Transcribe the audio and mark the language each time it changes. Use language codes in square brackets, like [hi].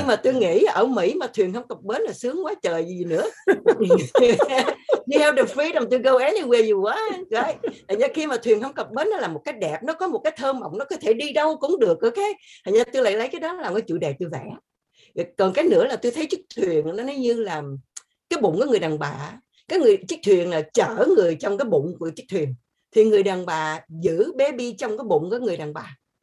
[vi] Nhưng mà tôi nghĩ ở Mỹ mà thuyền không cập bến là sướng quá trời gì nữa. [en] You have the freedom to go anywhere you want. Right? [vi] Khi mà thuyền không cập bến nó là một cái đẹp, nó có một cái thơ mộng, nó có thể đi đâu cũng được. Okay? Thành ra tôi lại lấy cái đó làm cái chủ đề tôi vẽ. Còn cái nữa là tôi thấy chiếc thuyền nó như là cái bụng của người đàn bà. Cái người chiếc thuyền là chở người trong cái bụng của chiếc thuyền. Thì người đàn bà giữ baby trong cái bụng của người đàn bà.